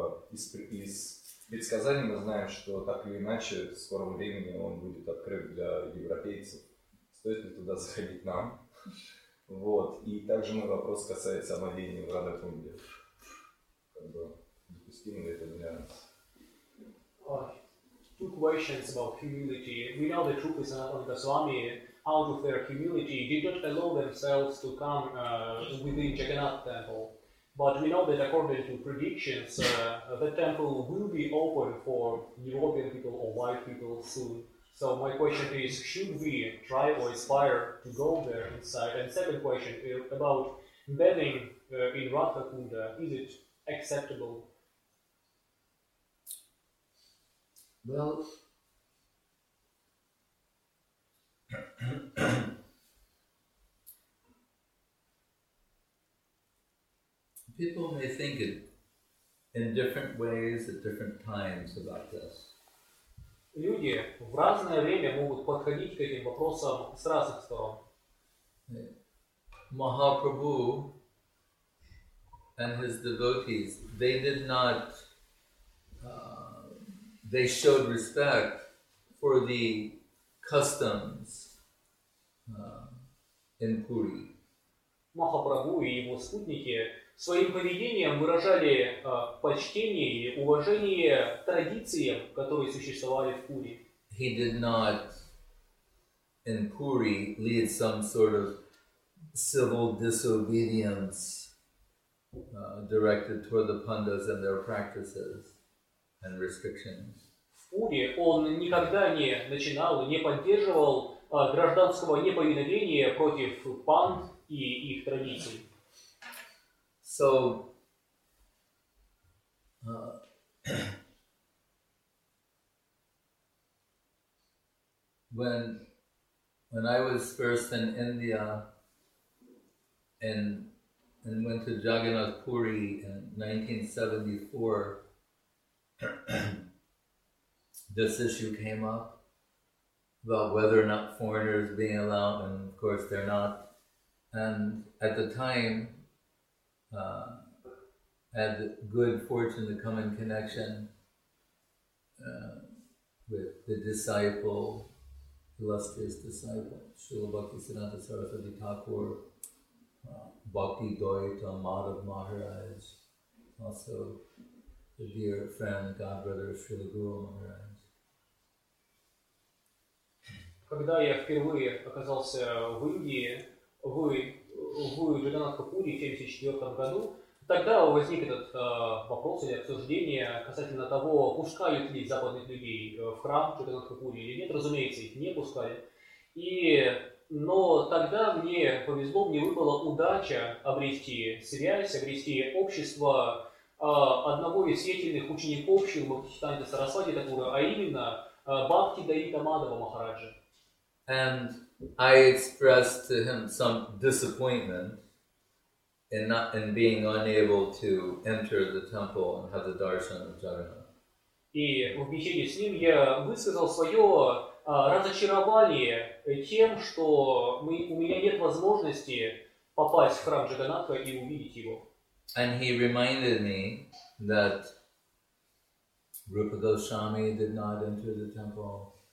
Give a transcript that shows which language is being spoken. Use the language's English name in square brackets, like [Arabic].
[Russian] Из предсказаний мы знаем, что так или иначе в скором времени он будет открыт для европейцев. Стоит ли туда заходить нам? Вот. И также мой вопрос касается омовения в Радхакунде. Как бы допустимо ли это для нас? [English] Two questions about humility. We know the Rupa Sanatana Goswami, out of their humility, did not allow themselves to come within Jagannath temple. But we know that according to predictions, the temple will be open for European people or white people soon. So my question is, should we try or aspire to go there inside? And second question about bathing in Radhakunda, is it acceptable? Well, people may think it in different ways at different times about this. [Russian] Люди в разное время могут подходить к этим вопросам с разных сторон. [English] Mahaprabhu and his devotees, they did not they showed respect for the customs in Puri. [Russian] Mahaprabhu и его спутники своим поведением выражали почтение или уважение традициям, которые существовали в Пури. [English] He did not in Puri lead some sort of civil disobedience directed toward the pandas and their practices and restrictions. [Russian] Пури, он никогда не начинал и не поддерживал гражданского неповиновения против панд и их традиций. [English] So, when I was first in India and went to Jagannath Puri in 1974, this issue came up about whether or not foreigners being allowed, and of course they're not. And at the time, had good fortune to come in connection with the disciple, illustrious disciple, Srila Bhakti Siddhanta Saraswati Thakur, Bhakti Doita Madhav Maharaj, also the dear friend, God brother Srila Guru Maharaj. [Russian] Когда я впервые оказался в Индии, в Джаганнат Пури в 1974 году, тогда возник этот вопрос или обсуждение касательно того, пускают ли западных людей в храм Джаганнат Пури или нет. Разумеется, их не пускали. Но тогда мне повезло, мне выпала удача обрести связь, обрести общество одного из сиятельных учеников Шрилы Бхактисиддханты Сарасвати Такура, а именно Бхакти Даита Мадхава Махараджа. [English] And I expressed to him some disappointment in not in being unable to enter the temple and have the darshan of Jagannath. [Russian] И в беседе с ним я высказал свое разочарование тем, что у меня нет возможности попасть в храм Джаганнатха и увидеть его. [English] And he reminded me that Rupa Goswami did not enter the temple.